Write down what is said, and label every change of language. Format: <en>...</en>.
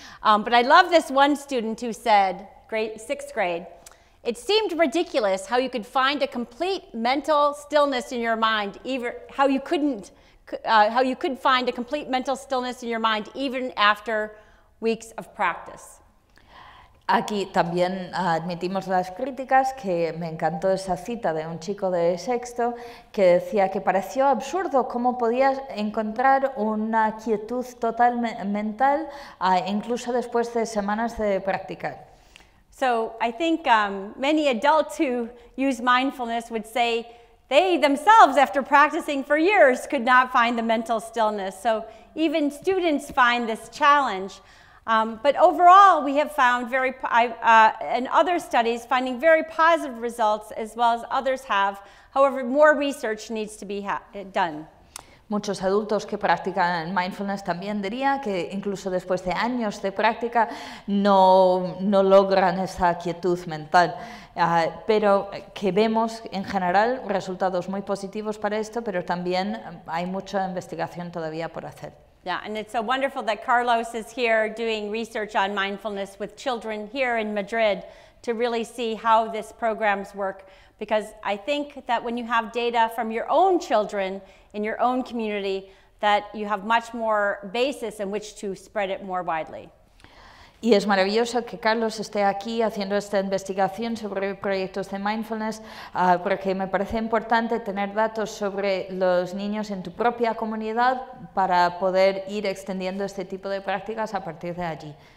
<en>But I love this one student who said, sixth grade, it seemed ridiculous how you could find a complete mental stillness in your mind, even after weeks of practice.</en> <es>Aquí también admitimos las críticas, que me encantó esa cita de un chico de sexto que decía que pareció absurdo cómo podías encontrar una quietud total mental incluso después de semanas de practicar.</es> <en>So I think many adults who use mindfulness would say they themselves, after practicing for years, could not find the mental stillness. So even students find this challenge. But overall, we have found very, in other studies, finding very positive results, as well as others have. However, more research needs to be done.</en> <es>Muchos adultos que practican mindfulness también diría que incluso después de años de práctica no logran esa quietud mental, pero que vemos en general resultados muy positivos para esto, pero también hay mucha investigación todavía por hacer.</es> <en>Yeah, and it's so wonderful that Carlos is here doing research on mindfulness with children here in Madrid to really see how this programs work, because I think that when you have data from your own children in your own community, that you have much more basis in which to spread it more widely.</en> <es>Y es maravilloso que Carlos esté aquí haciendo esta investigación sobre proyectos de mindfulness, porque me parece importante tener datos sobre los niños en tu propia comunidad para poder ir extendiendo este tipo de prácticas a partir de allí.</es>